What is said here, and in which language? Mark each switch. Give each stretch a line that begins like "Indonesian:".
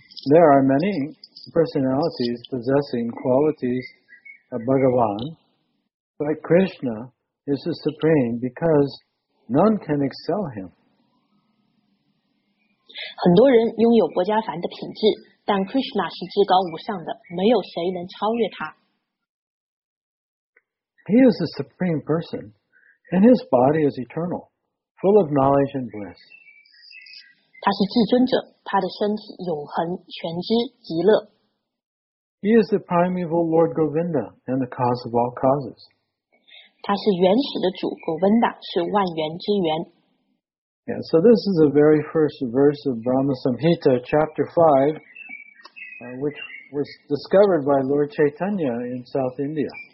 English: There are many personalities possessing qualities. A Bhagavan, but Krishna is the supreme because none can excel him.
Chinese: 很多人拥有薄伽梵的品质，但 Krishna 是至高无上的，没有谁能超越他。
English: He is the supreme person, and his body is eternal, full of knowledge and bliss.
Chinese: 他是至尊者，他的身体永恒、全知、极乐。
English: He is the primeval Lord Govinda and the cause of all causes.
Chinese: 他是原始的主 Govinda, 是万源之源。
English: Yeah, so this is the very first verse of Brahma Samhita, chapter 5, which was discovered by Lord Chaitanya in South India.